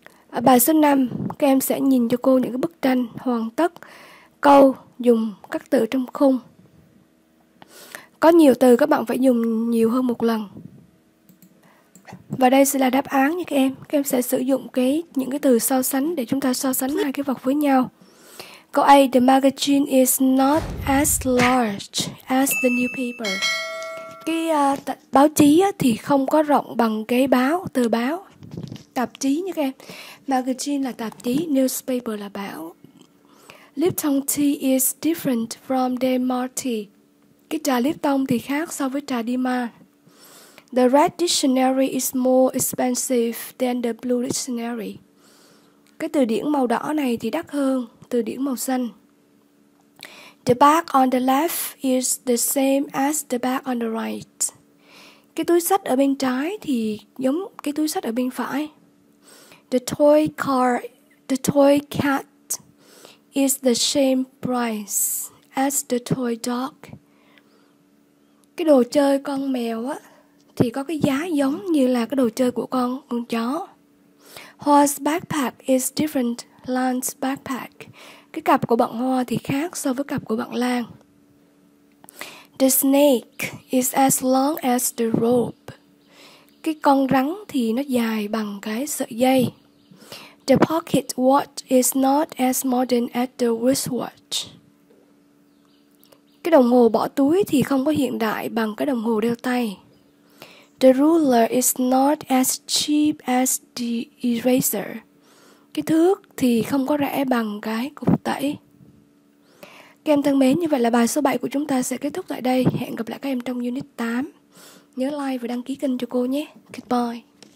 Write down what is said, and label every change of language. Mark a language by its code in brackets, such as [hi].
[vi] Ở bài số 5, các em sẽ nhìn cho cô những cái bức tranh hoàn tất câu dùng các từ trong khung. Có nhiều từ các bạn phải dùng nhiều hơn một lần. Và đây sẽ là đáp án nha các em. Các em sẽ sử dụng những cái từ so sánh để chúng ta so sánh hai cái vật với nhau. Câu A, [en] the magazine is not as large as the newspaper. [vi] Cái báo chí á, thì không có rộng bằng cái báo, tờ báo, tạp chí nha các em. [en] Magazine [vi] là tạp chí, [en] newspaper [vi] là báo. [en] Lipton tea is different from Dimar tea. [vi] Cái trà Lipton thì khác so với trà Dimar. [en] The red dictionary is more expensive than the blue dictionary. [vi] Cái từ điển màu đỏ này thì đắt hơn từ điển màu xanh. [en] The bag on the left is the same as the bag on the right. [vi] Cái túi sách ở bên trái thì giống cái túi sách ở bên phải. [en] The toy cat is the same price as the toy dog. [vi] Cái đồ chơi con mèo á thì có cái giá giống như là cái đồ chơi của con chó. [en] Hoa's backpack is different Lan's backpack. [vi] Cái cặp của bạn Hoa thì khác so với cặp của bạn Lan. [en] The snake is as long as the rope. [vi] Cái con rắn thì nó dài bằng cái sợi dây. [en] The pocket watch is not as modern as the wristwatch. [vi] Cái đồng hồ bỏ túi thì không có hiện đại bằng cái đồng hồ đeo tay. [en] The ruler is not as cheap as the eraser. [vi] cái thước thì không có rẻ bằng cái cục tẩy. Các em thân mến, như vậy là bài số 7 của chúng ta sẽ kết thúc tại đây. Hẹn gặp lại các em trong unit 8. Nhớ like và đăng ký kênh cho cô nhé. Goodbye.